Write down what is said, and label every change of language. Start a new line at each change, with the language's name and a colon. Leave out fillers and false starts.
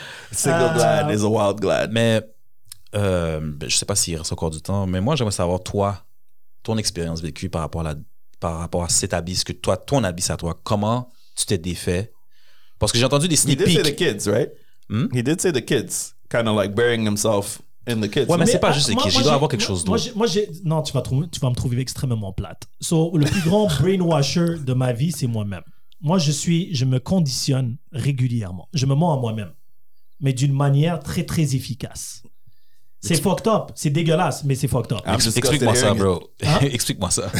English: Single glad is a wild glad.
French: Mais je ne sais pas s'il reste encore du temps, mais moi, j'aimerais savoir toi, ton expérience vécue par rapport à cet abysse, que toi, ton abysse à toi, comment tu t'es défait Parce que j'ai entendu des sneak peeks.
English: He did say the kids, right? Hmm? He did say the kids, kind of like burying himself in the kids.
French: Ouais, mais c'est pas juste les kids. Il doit avoir quelque chose d'autre. Non, tu vas me trouver extrêmement plate. So, le plus grand brainwasher de ma vie, c'est moi-même. Moi, je me conditionne régulièrement. Je me mens à moi-même, mais d'une manière très, très efficace. C'est fucked up. C'est dégueulasse, mais c'est fucked up. Explique-moi ça, bro. Hein? Explique-moi ça.